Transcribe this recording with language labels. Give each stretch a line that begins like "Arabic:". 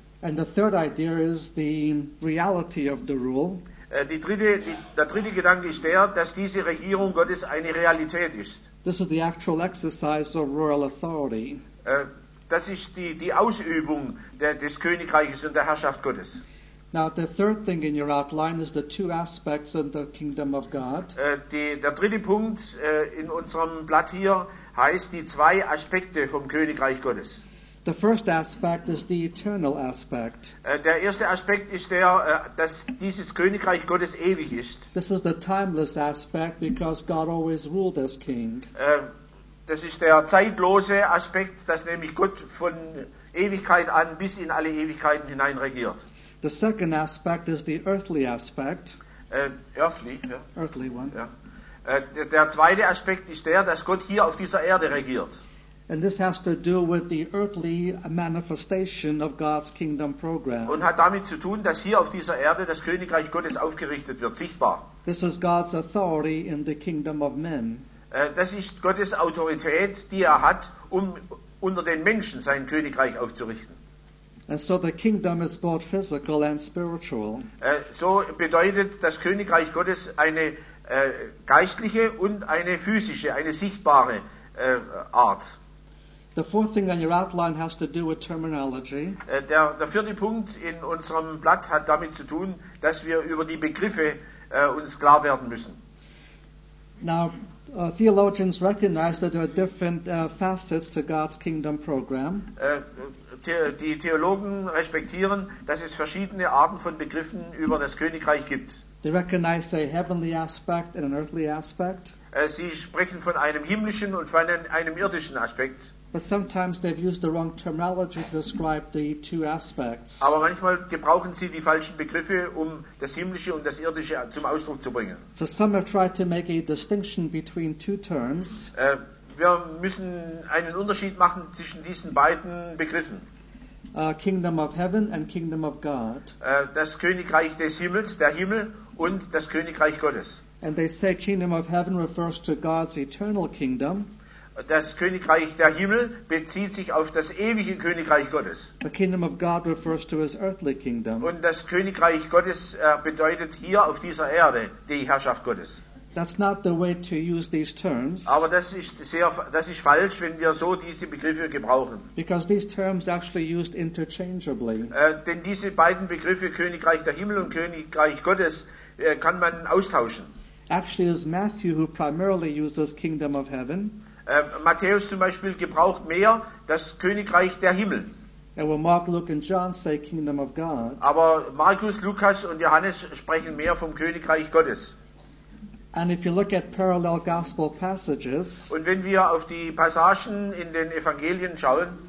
English: And the third idea is the reality of the rule.
German: Der dritte Gedanke ist der, dass diese Regierung Gottes eine Realität ist.
English: This is the actual exercise of royal authority.
German: Das ist die Ausübung des Königreiches und der Herrschaft Gottes.
English: Now the third thing in your outline is the two aspects of the kingdom of God.
German: Der dritte Punkt in unserem Blatt hier heißt die zwei Aspekte vom Königreich Gottes.
English: The first aspect is the eternal aspect.
German: Der erste Aspekt ist der, dass dieses Königreich Gottes ewig ist.
English: This is the timeless aspect because God always ruled as king.
German: Das ist der zeitlose Aspekt, dass nämlich Gott von Ewigkeit an bis in alle Ewigkeiten hinein regiert.
English: The second aspect is the earthly aspect.
German: Der zweite Aspekt ist der, dass Gott hier auf dieser Erde regiert.
English: And this has to do with the earthly manifestation of God's kingdom program.
German: Und hat damit zu tun, dass hier auf dieser Erde das Königreich Gottes aufgerichtet wird, sichtbar.
English: This is God's authority in the kingdom of men.
German: Das ist Gottes Autorität, die er hat, um unter den Menschen sein Königreich aufzurichten.
English: And so the kingdom is both physical and spiritual.
German: So bedeutet das Königreich Gottes eine geistliche und eine physische, eine sichtbare Art.
English: The fourth thing on your outline has to do with terminology.
German: Der vierte Punkt in unserem Blatt hat damit zu tun, dass wir über die Begriffe uns klar werden müssen.
English: Now, theologians recognize that there are different facets to God's kingdom program.
German: Die Theologen respektieren, dass es verschiedene Arten von Begriffen über das Königreich gibt.
English: They recognize a heavenly aspect and an earthly aspect.
German: Sie sprechen von einem himmlischen und von einem irdischen Aspekt.
English: But sometimes they've used the wrong terminology to describe the two aspects.
German: Aber manchmal gebrauchen sie die falschen Begriffe, um das Himmlische und das Irdische zum Ausdruck zu bringen.
English: So some have tried to make a distinction between two terms.
German: Wir müssen einen Unterschied machen zwischen diesen beiden Begriffen.
English: Kingdom of Heaven and Kingdom of God.
German: Das Königreich des Himmels, der Himmel, und das Königreich Gottes.
English: And they say Kingdom of Heaven refers to God's eternal kingdom.
German: Das Königreich der Himmel bezieht sich auf das ewige Königreich Gottes.
English: The kingdom of God refers to his earthly kingdom.
German: Und das Königreich Gottes bedeutet hier auf dieser Erde die Herrschaft Gottes.
English: That's not the way to use these terms.
German: Aber das ist falsch, wenn wir so diese Begriffe gebrauchen.
English: Because these terms are actually used interchangeably.
German: Denn diese beiden Begriffe, Königreich der Himmel und Königreich Gottes, kann man austauschen.
English: Actually, it's Matthew who primarily uses Kingdom of Heaven.
German: Matthäus zum Beispiel gebraucht mehr das Königreich der Himmel.
English: And will Mark, Luke and John say Kingdom of God?
German: Aber Markus, Lukas und Johannes sprechen mehr vom Königreich Gottes.
English: And if you look at parallel gospel passages,
German: und wenn wir auf die Passagen in den Evangelien schauen,